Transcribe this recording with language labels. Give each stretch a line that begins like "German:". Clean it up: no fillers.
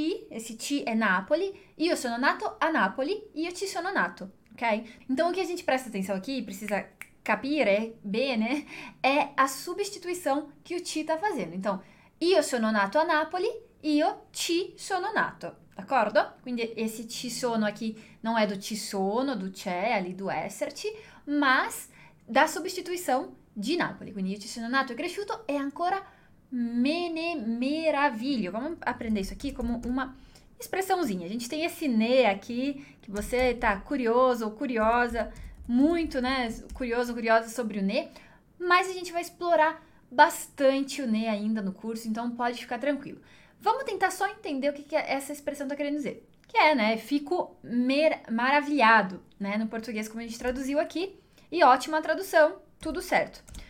Portuguese: Esse ti é Nápoles,
Italian: io sono nato a Napoli, io ci sono nato, ok?
Portuguese: Então o que a gente presta atenção aqui, precisa
Italian: capire bene,
Portuguese: é a substituição que o ti está fazendo.
Italian: Então, io sono nato a Napoli, io ci sono nato, d'accordo?
Portuguese: Quindi esse ci sono aqui não é do ci sono, do c'è, ali do esserci, mas da substituição de Napoli.
Italian: Quindi io ci sono nato e cresciuto e ancora me ne meraviglio.
Portuguese: Vamos aprender isso aqui como uma expressãozinha. A gente tem esse ne aqui, que você tá curioso ou curiosa, muito, né, curioso ou curiosa sobre o ne, mas a gente vai explorar bastante o ne ainda no curso, então pode ficar tranquilo. Vamos tentar só entender o que essa expressão tá querendo dizer, que é, né, fico maravilhado, né, no português como a gente traduziu aqui, e ótima tradução, tudo certo.